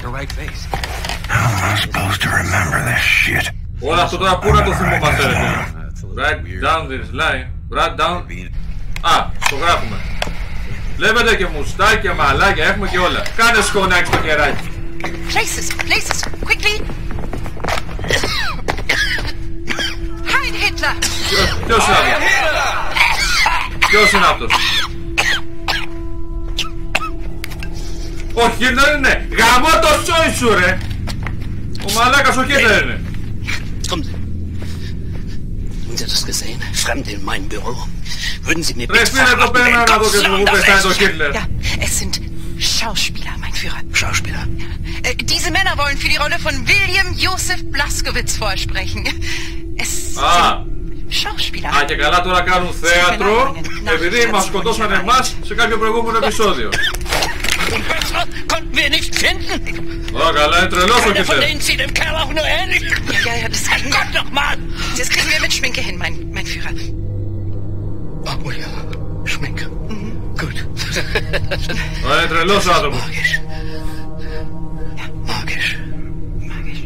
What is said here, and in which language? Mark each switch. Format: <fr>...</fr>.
<en>How am I supposed to remember this shit?</en> <el>Όλα αυτό τώρα πού να το θυμόμαστε, ρε παιδί.</el> <en>Write down this line. Write down.</en> <el>Α, το γράφουμε. Βλέπετε και μουστάκια, μαλάκια, έχουμε και όλα. Κάνε σκονάκι στο κεράκι.</el> <en>Places, places, quickly. Hide Hitler.</en> <el>Ποιος είναι αυτός? Ποιος είναι αυτός? Ο Χίτλερ είναι. Γαμώ το σόι σου, ρε. Ο μαλάκας ο Χίτλερ είναι.</el> <de>Haben Sie das gesehen? Fremde in meinem Büro? Würden Sie mir bitte sagen, ja, es sind Schauspieler, mein Führer. Schauspieler? Diese Männer wollen für die Rolle von William Joseph Blaskowitz vorsprechen. Es sind Schauspieler.</de> <el>Ah, και καλά τώρα κάνουν θέατρο, επειδή μας σκοτώσαν εμάς σε κάποιο προηγούμενο επεισόδιο.</el> <de>Konnten wir nicht finden? Oh, geil, ein Trelos, okay. Keiner von denen sieht dem Kerl auch nur ähnlich. Ja, ja, das hat Gott noch mal. Das kriegen wir mit Schminke hin, mein Führer. Oh, ja, Schminke. Gut. Ein Trelos, Adam. Magisch. Ja, magisch.</de>